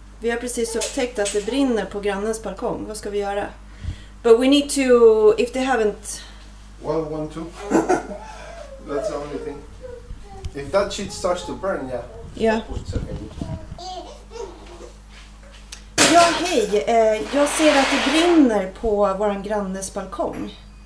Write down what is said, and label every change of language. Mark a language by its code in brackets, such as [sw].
[sv] har precis upptäckt att det brinner på grannens balkong. Vad ska vi göra? [en] But we need to, if they haven't... Well, one, two. That's the only thing. If that shit starts to burn, yeah. Yeah. [sv] Ja, hej. Jag ser att det brinner på vår grannes balkong.